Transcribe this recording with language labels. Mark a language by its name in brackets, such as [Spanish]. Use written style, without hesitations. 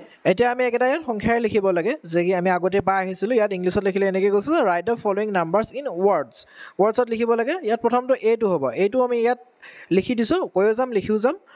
[Assamese] এতিয়া আমি একেটা ইয়াত সংখ্যাৰে লিখিব লাগে, যে কি আমি আগতে পাই আহিছিলোঁ। ইয়াত ইংলিছত লিখিলে এনেকৈ কৈছোঁ, [English] write the following numbers in words, [Assamese] ৱৰ্ডছত লিখিব লাগে। ইয়াত প্ৰথমটো এইটো হ'ব, এইটো আমি ইয়াত লিখি দিছোঁ, কৈও যাম লিখিও যাম।